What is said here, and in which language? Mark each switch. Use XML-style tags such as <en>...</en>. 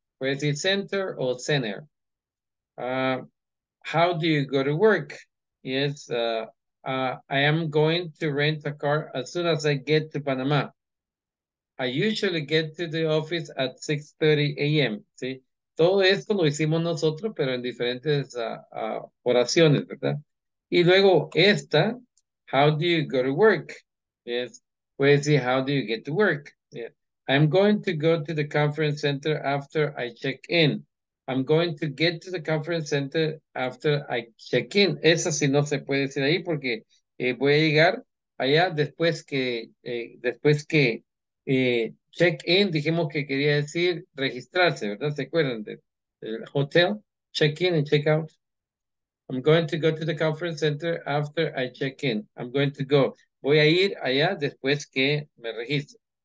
<en>Where is it, center or center? How do you go to work? Yes, I am going to rent a car as soon as I get to Panama. I usually get to the office at 6:30 a.m.</en> <es>¿Sí? Todo esto lo hicimos nosotros, pero en diferentes oraciones, ¿verdad? Y luego esta,</es> <en>how do you go to work? Yes.</en> <es>Puede decir,</es> <en>how do you get to work? Yeah. I'm going to go to the conference center after I check in. I'm going to get to the conference center after I check in.</en> <es>Esa sí no se puede decir ahí porque voy a llegar allá después que check in, dijimos que quería decir registrarse, ¿verdad? ¿Se acuerdan del hotel?</es> <en>Check in and check out. I'm going to go to the conference center after I check in. I'm going to go.</en> <es>Voy a ir allá después que me registre.</es>